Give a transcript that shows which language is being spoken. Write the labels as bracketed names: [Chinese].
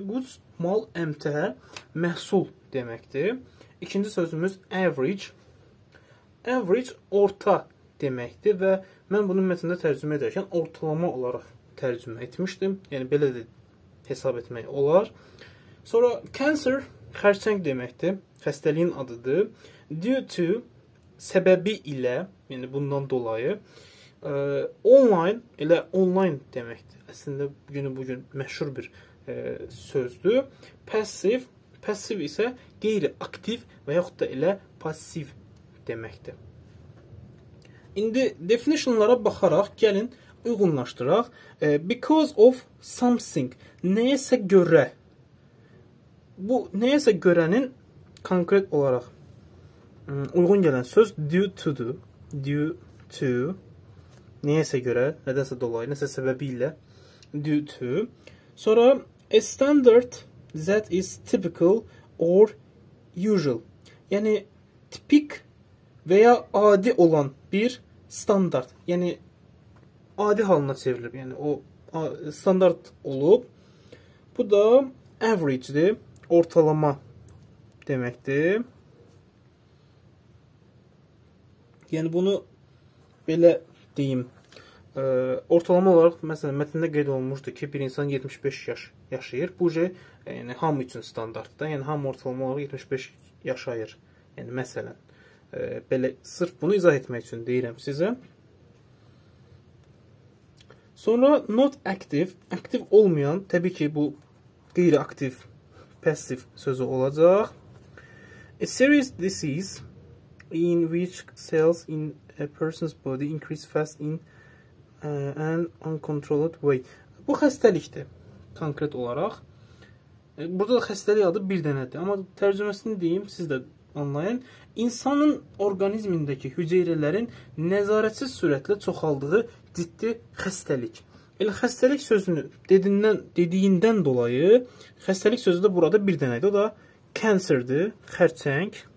[Azerbaijani] Goods mal, əmtə, məhsul deməkdir. İkinci sözümüz average. Average orta deməkdir və mən bunu mətnində tərcümə edərkən ortalama olaraq tərcümə etmişdim. Yəni belə də hesab etmək olar. Sonra cancer xərçəng deməkdir. Xəstəliyin adıdır. Due to səbəbi ilə, yəni bundan dolayı online, elə online deməkdir. Əslində bugün məşhur bir sözdür. Passive isə qeyri-aktiv və yaxud da elə passiv deməkdir. İndi definisyonlara baxaraq gəlin uyğunlaşdıraq. [English] Because of something, [Azerbaijani] nəyəsə görə. Bu nəyəsə görənin konkret olaraq uyğun gələn söz due to-dur. Due to nəyəsə görə, nədənsə dolayı, nəsə səbəbi ilə due to. [English] Sonra a standard that is typical or usual. [Azerbaijani] Yəni tipik və ya adi olan bir standart, yəni adi halına çevrilib, yəni o standart olub. Bu da average-dir, ortalama deməkdir. Yəni bunu belə deyim, ortalama olaraq, məsələn, mətnində qeyd olunmuşdu ki, bir insan 75 yaş yaşayır. Bu cə, yəni hamı üçün standartdır, yəni hamı ortalama olaraq 75 yaşayır, yəni məsələn. Belə, sırf bunu izah etmək üçün deyirəm sizə. Sonra [English] not active, [Azerbaijani] aktiv olmayan, təbii ki, bu qeyri-aktiv, passiv sözü olacaq. [English] A serious disease in which cells in a person's body increase fast in an uncontrolled way. [Azerbaijani] Bu xəstəlikdir. Konkret olaraq. Burada da xəstəlik adı bir dənədir. Amma tərcüməsini deyim, siz də anlayın. İnsanın orqanizmindəki hüceyrələrin nəzarətsiz sürətlə çoxaldığı ciddi xəstəlik. El xəstəlik sözünü dediyindən dolayı xəstəlik sözü də burada bir dənədir. O da cancer-dir, xərçəng.